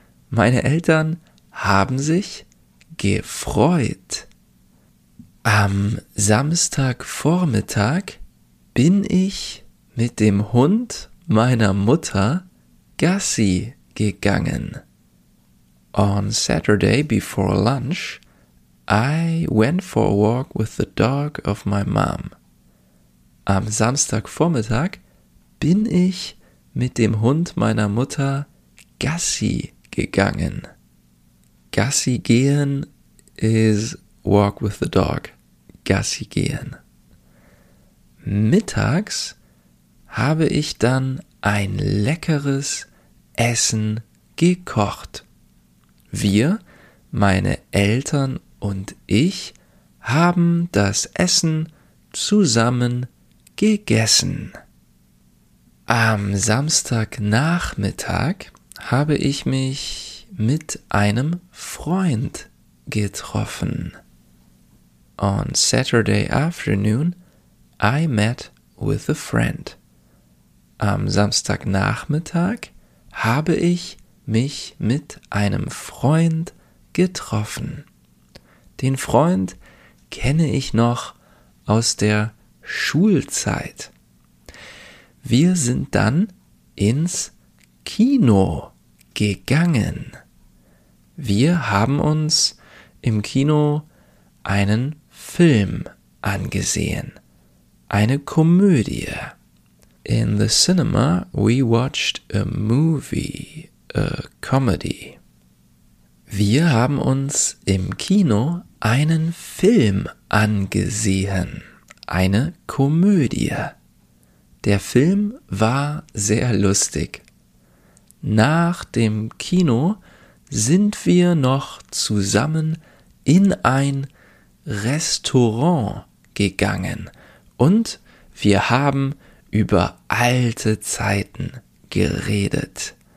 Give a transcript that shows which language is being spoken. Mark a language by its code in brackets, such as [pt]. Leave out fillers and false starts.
[de] Meine Eltern haben sich gefreut. Am Samstagvormittag bin ich mit dem Hund meiner Mutter Gassi gegangen. [en] On Saturday before lunch, I went for a walk with the dog of my mom. [de] Am Samstagvormittag bin ich mit dem Hund meiner Mutter Gassi gegangen. [en] Gassi gehen is walk with the dog. Gassi gehen. [de] Mittags habe ich dann ein leckeres Essen gekocht. Wir, meine Eltern und ich, haben das Essen zusammen gegessen. Am Samstagnachmittag habe ich mich mit einem Freund getroffen. [en] On Saturday afternoon, I met with a friend. [de] Am Samstagnachmittag habe ich mich mit einem Freund getroffen. Den Freund kenne ich noch aus der Schulzeit. Wir sind dann ins Kino gegangen. Wir haben uns im Kino einen Film angesehen, eine Komödie. [en] In the cinema we watched a movie, a comedy. [de] Wir haben uns im Kino einen Film angesehen, eine Komödie. Der Film war sehr lustig. Nach dem Kino sind wir noch zusammen in ein Restaurant gegangen und wir haben über alte Zeiten geredet.